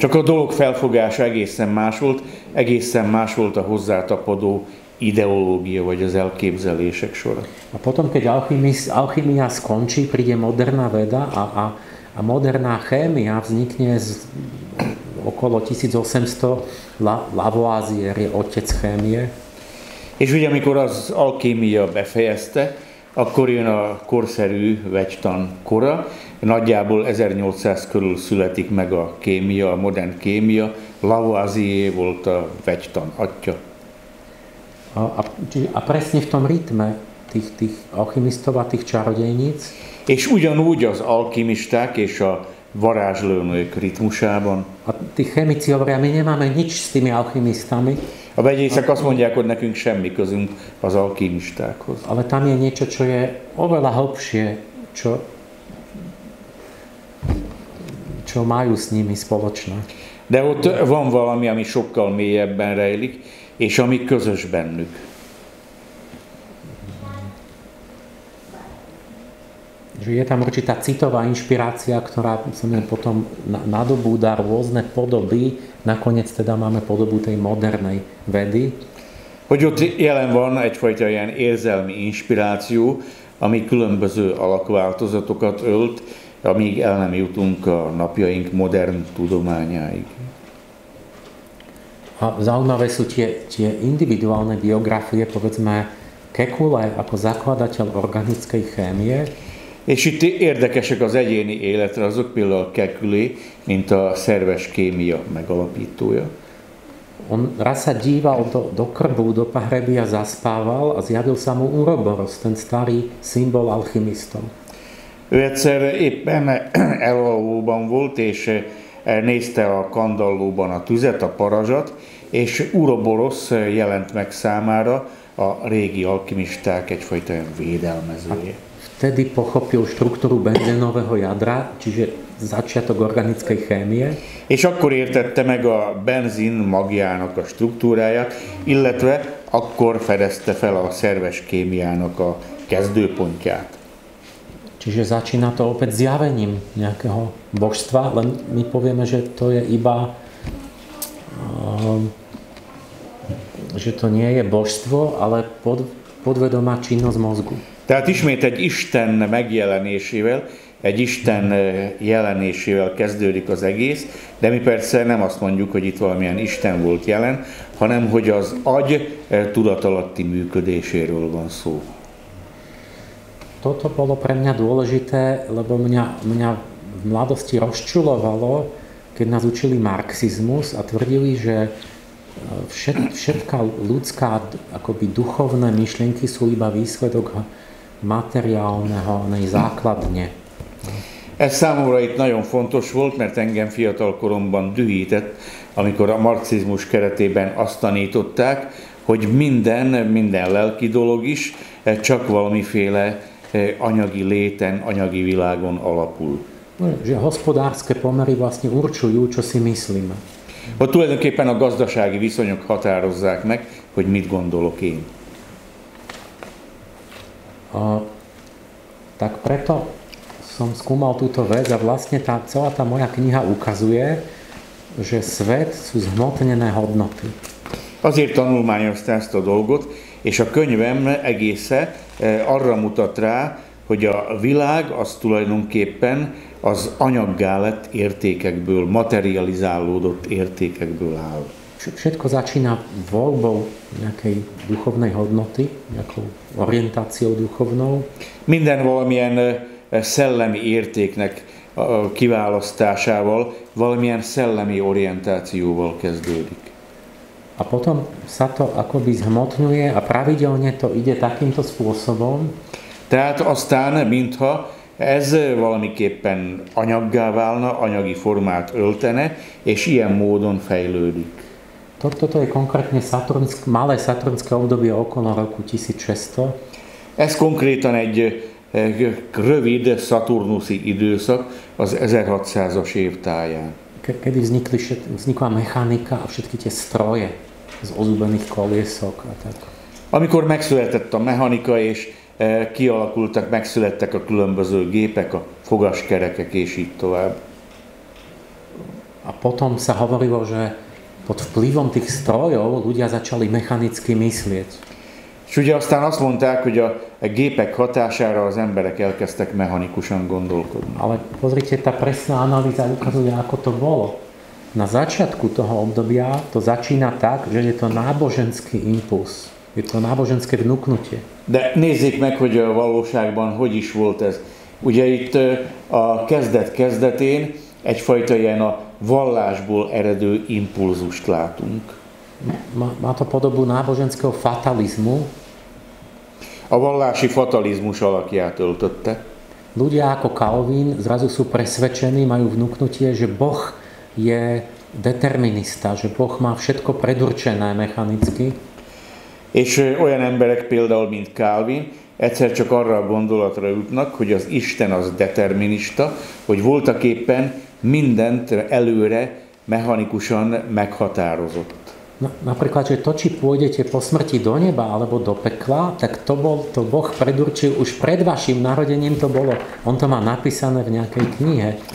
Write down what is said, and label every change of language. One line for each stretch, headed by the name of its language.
Hungarian: Csak a dolog felfogása egészen más volt a hozzátapadó ideológia vagy az elképzelések sora.
Slovak: A potom, keď alchymia skončí, príde moderná veda a moderná chémia vznikne z okolo 1800 Lavoisier je otec chémie.
Hungarian: És ugye, amikor az alchímia befejezte, akkor jön a korszerű vegytan kora, nagyjából 1800 körül születik meg a kémia, a modern kémia, Lavoisier volt a vegytan atya.
Slovak: A presne v tom ritme tých alchymistov a tých čarodejníc?
Hungarian: És ugyanúgy az alchymisták és a varázslónők ritmusában.
Slovak: A ti chemici hovoria, my nemáme nič s tými alchymistami.
Hungarian: A vegyészek azt mondják, hogy nekünk semmi közünk az alchymistákhoz.
Slovak: Ale tam je niečo, čo je oveľa hlbšie, čo majú s nimi spoločné.
Hungarian: De ott van valami, ami sokkal mélyebben rejlik, és ami közös bennük.
Slovak: Že je tam určitá citová inšpirácia, ktorá sa potom nadobúda rôzne podoby, nakoniec teda máme podobu tej modernej vedy.
Hungarian: Hogy ott jelen van egyfajta ilyen érzelmi inšpiráció, ami különböző alakváltozatokat ölt, amíg el nem jutunk a napjaink modern tudományáig.
Slovak: A zaujímavé sú tie individuálne biografie, povedzme Kekule ako zakladateľ organickej chémie.
Hungarian: És itt érdekesek az egyéni életre azok, például Kekulé, mint a szerves kémia megalapítója.
Slovak: On raz sa díval do krbu, do pahrebia zaspával a zjavil sa mu Uroboros, ten starý symbol alchymistom.
Hungarian: Ő egyszer éppen elalvóban volt, és nézte a kandallóban a tüzet, a parazsat, és Uroboros jelent meg számára a régi alchymisták egyfajta olyan védelmezője.
Slovak: Vtedy pochopil štruktúru benzénového jadra, čiže začiatok organickej chémie.
Hungarian: És akkor értette meg a benzin magjának a struktúráját, illetve akkor fedezte fel a szerves kémiának a kezdőpontját.
Slovak: Čiže začína to opäť zjavením nejakého božstva, len my povieme, že to je iba, že to nie je božstvo, ale podvedomá činnosť mozgu.
Hungarian: Tehát ismét egy Isten megjelenésével, egy Isten jelenésével kezdődik az egész, de mi persze nem azt mondjuk, hogy itt valamilyen Isten volt jelen, hanem hogy az agy tudatalatti működéséről van szó.
Slovak: Toto bolo pre mňa dôležité, lebo mňa v mladosti rozčulovalo, keď nás učili marxizmus a tvrdili, že všetká ľudská akoby duchovné myšlienky sú iba výsledok materiálneho základne.
Hungarian: Ez számomra itt nagyon fontos volt, mert engem fiatal koromban dühített, amikor a marxizmus keretében azt tanították, hogy minden lelki dolog is csak valamiféle anyagi léten, anyagi világon alapul.
Slovak: Že hospodárske pomery vlastne určujú, čo si myslíme.
Hungarian: Ott tulajdonképpen a gazdasági viszonyok határozzák meg, hogy mit gondolok én.
Slovak: Tak preto som skúmal túto vec a vlastne tá, celá tá moja kniha ukazuje, že svet sú zhmotnené hodnoty.
Hungarian: Azért tanulmányozta ezt a dolgot, és a könyvem egésze arra mutat rá, hogy a világ az tulajdonképpen az anyaggá lett értékekből, materializálódott értékekből áll.
Slovak: Všetko začína voľbou nejakej duchovnej hodnoty, nejakou orientáciou duchovnou.
Hungarian: Minden valamilyen szellemi értéknek kiválasztásával, valamilyen szellemi orientációval kezdődik.
Slovak: A potom sa to akoby zhmotňuje a pravidelne to ide takýmto spôsobom.
Hungarian: Tehát aztán, mintha ez valamiképpen anyaggá válna, anyagi formát öltene, és ilyen módon fejlődik.
Slovak: Toto je konkrétne malé saturnské obdobie okolo roku 1600.
Hungarian: Ez konkrétan egy rövid saturnuszi időszak az 1600-as évtáján.
Slovak: Kedy vznikla mechanika a všetky tie stroje z ozubených koliesok a tak.
Hungarian: Amikor megszületett a mechanika és kialakultak, megszülettek a különböző gépek, a fogaskerekek és így tovább.
Slovak: A potom sa hovorilo, že pod vplyvom tých strojov ľudia začali mechanicky myslieť.
Hungarian: És ugye aztán azt mondták, hogy a gépek hatására az emberek elkezdtek mechanikusan gondolkodni.
Slovak: Ale pozrite, tá presná analýza ukazuje, ako to bolo. Na začiatku toho obdobia to začína tak, že je to náboženský impuls. Je to náboženské vnuknutie.
Hungarian: De nézzék meg, hogy a valóságban hogy is volt ez. Ugye itt a kezdetén egyfajta ilyen a vallásból eredő impulzust látunk.
Slovak: Má to podobu náboženského fatalizmu.
Hungarian: A vallási fatalizmus alakját öltötte.
Slovak: Ľudia ako Calvin zrazu sú presvedčení, majú vnuknutie, že Boh je determinista, že Boh má všetko predurčené mechanicky.
Hungarian: És olyan emberek például, mint Calvin, egyszer csak arra a gondolatra jutnak, hogy az Isten az determinista, hogy voltak éppen mindent előre mechanikusan meghatározott.
Slovak: Napríklad, že to, či pôjdete po smrti do neba alebo do pekla, tak to Boh predurčil už pred vašim narodením to bolo. On to má napísané v nejakej knihe.